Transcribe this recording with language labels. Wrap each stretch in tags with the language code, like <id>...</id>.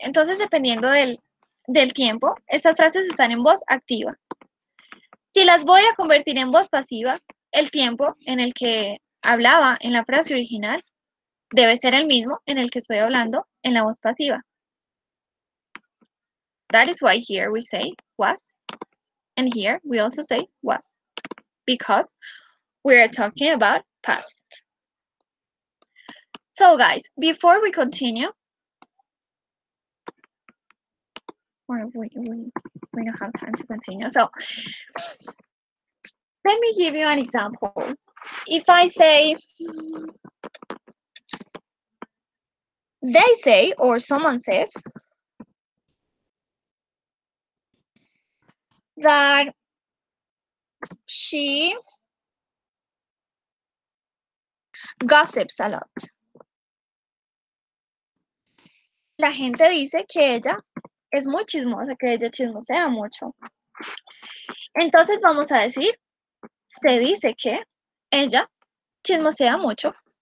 <es>Entonces, dependiendo del tiempo, estas frases están en voz activa. Si las voy a convertir en voz pasiva, el tiempo en el que hablaba en la frase original debe ser el mismo en el que estoy hablando en la voz pasiva.</es> <en>That is why here we say was, and here we also say was, because we are talking about past. So guys, before we continue, we don't have time to continue. So let me give you an example. If I say, they say, or someone says, that she gossips a lot.</en> <es>La gente dice que ella es muy chismosa, que ella chismosea mucho. Entonces vamos a decir, se dice que ella chismosea mucho.</es>